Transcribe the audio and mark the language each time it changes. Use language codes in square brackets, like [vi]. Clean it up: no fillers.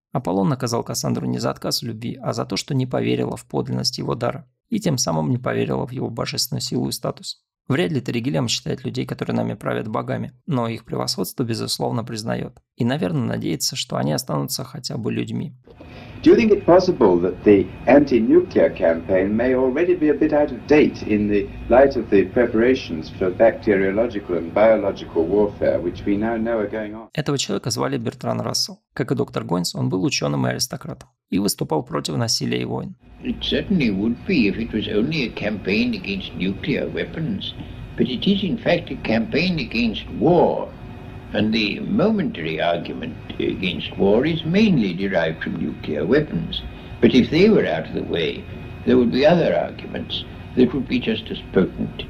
[ru] Аполлон наказал Кассандру не за отказ в любви, а за то, что не поверила в подлинность его дара. И тем самым не поверила в его божественную силу и статус. Вряд ли Терригелиам считает людей, которые нами правят, богами, но их превосходство, безусловно, признает. И, наверное, надеется, что они останутся хотя бы людьми. [en] Do you think it possible that the anti-nuclear campaign may already be a bit out of date in the light of the preparations for bacteriological and biological warfare, which we now know are going on? [ru] Этого человека звали Бертран Рассел. Как и доктор Гойнс, он был ученым и аристократом и выступал против насилия и войн. [en] It certainly would be if it was only a campaign against nuclear weapons, but it is in fact a campaign against war. And the momentary argument against war is mainly derived from nuclear weapons. But if they were out of the way, there would be other arguments that would be just as potent.